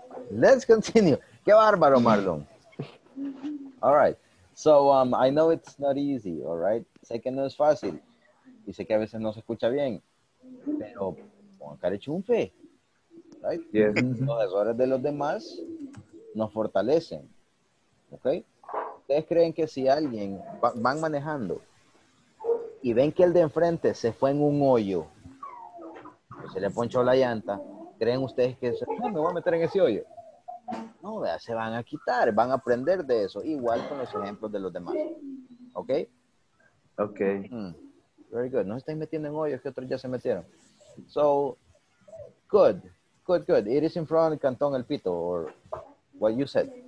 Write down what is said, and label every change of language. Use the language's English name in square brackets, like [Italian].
[English] Let's continue. Qué bárbaro, Marlon. All right. So I know it's not easy, all right? [Spanish] Sé que no es fácil. Y sé que a veces no se escucha bien. Pero pongan cara de chunfe. Right? [English] Yes. [Spanish] Los errores de los demás nos fortalecen. ¿Ok? ¿Ustedes creen que si alguien van manejando y ven que el de enfrente se fue en un hoyo, pues se le ponchó la llanta, creen ustedes que me voy a meter en ese hoyo? No, vea, se van a quitar, van a aprender de eso. Igual con los ejemplos de los demás. ¿Ok? [English] Ok. Very good. [Spanish] No se estén metiendo en hoyos, que otros ya se metieron. [English] So, good. Good, good. It is in front of Cantón El Pito, or what you said.